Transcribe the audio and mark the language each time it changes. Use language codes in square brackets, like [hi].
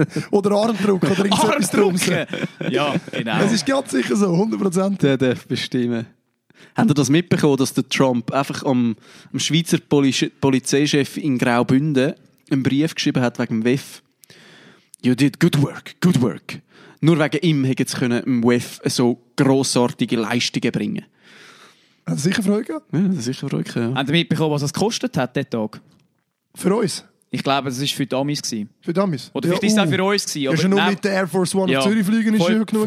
[de] Oder Armdruck oder irgendwas drums. Ja, genau. Es ist ganz sicher so, 100%. Der darf bestimmen. Habt ihr das mitbekommen, dass der Trump einfach am Schweizer Polizeichef in Graubünden einen Brief geschrieben hat wegen dem WEF? [en] You did good work, good work. [de] Nur wegen ihm hätten sie dem WEF so grossartige Leistungen bringen können. Hat er sicher Freude gehabt? Ja, hat er sicher Freude gehabt. Ja. Habt ihr mitbekommen, was das gekostet hat, diesen Tag? Für uns? Ich glaube, das war für Dummies. Für Dummies? Oder vielleicht war es auch für uns. Aber ja, nur mit der Air Force One auf Zürich fliegen ist ja genug.